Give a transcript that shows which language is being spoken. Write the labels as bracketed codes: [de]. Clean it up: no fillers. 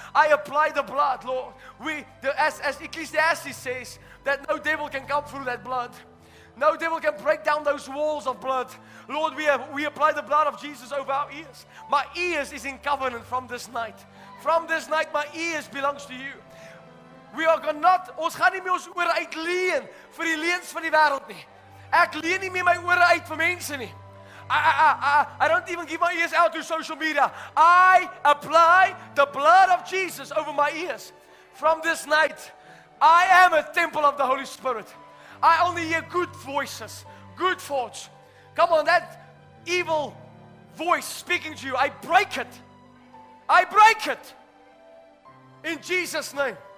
[en] I apply the blood, Lord. As Ecclesiastes says, that no devil can come through that blood. No devil can break down those walls of blood. Lord, we apply the blood of Jesus over our ears. My ears is in covenant from this night. From this night, my ears belongs to you. We are going not, [af] ons gaan nie meer ons oor uit leen vir die leens van die wêreld nie. Ek leen nie meer my ore uit vir mense nie. [en] I don't even give my ears out to social media. I apply the blood of Jesus over my ears. From this night, I am a temple of the Holy Spirit. I only hear good voices, good thoughts. Come on, that evil voice speaking to you, I break it. I break it. In Jesus' name.